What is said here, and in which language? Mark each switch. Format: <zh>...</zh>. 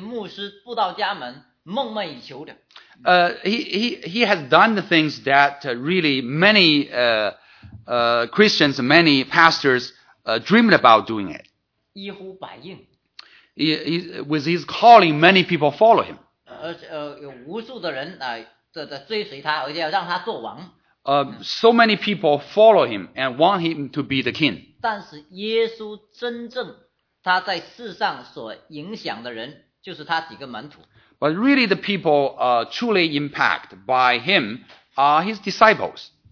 <zh>是今天无数的基督徒、无数的这些牧师、布道家们梦寐以求的。</zh> <en>He has done the things that really many Christians, many pastors dreamed about doing it.</en> <zh>一呼百应。</zh> <en>With his calling, many people follow him.</en> <zh>而有无数的人追随他，而且要让他做王。</zh> <en>So many people follow him and want him to be the king.</en> <zh>但是耶稣真正他在世上所影响的人，就是他几个门徒。</zh> <en>But really, the people truly impacted by him are his disciples.</en>